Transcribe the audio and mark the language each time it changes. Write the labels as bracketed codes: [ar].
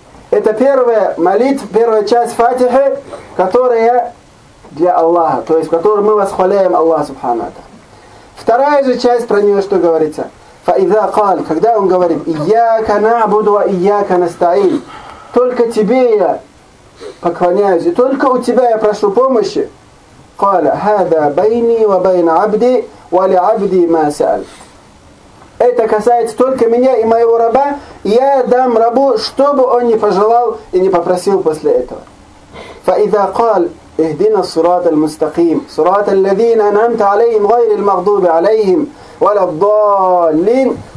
[ru] Это первая молитва, первая часть Фатихи, которая для Аллаха, то есть в которой мы восхваляем Аллаха субхана ва тааля. Вторая же часть, про нее что говорится? [ar] فإذا قال, [ru] когда он говорит: [ar] إياك نعبد وإياك نستعين, [ru] только тебе я поклоняюсь и только у тебя я прошу помощи. [ar] قال هذا بيني وبين عبدي ولعبدي ما سأل. [ru] Это касается только меня и моего раба, и я дам рабу, что бы он ни пожелал и ни попросил после этого. [ar] فَإِذَا قَالْ اِهْدِنَا الصُّرَاطَ الْمُسْتَقِيمِ صُرَاطَ الَّذِينَ أَنْعَمْتَ عَلَيْهِمْ غَيْرِ الْمَغْضُوبِ عَلَيْهِمْ وَلَا الضَّالِّينَ.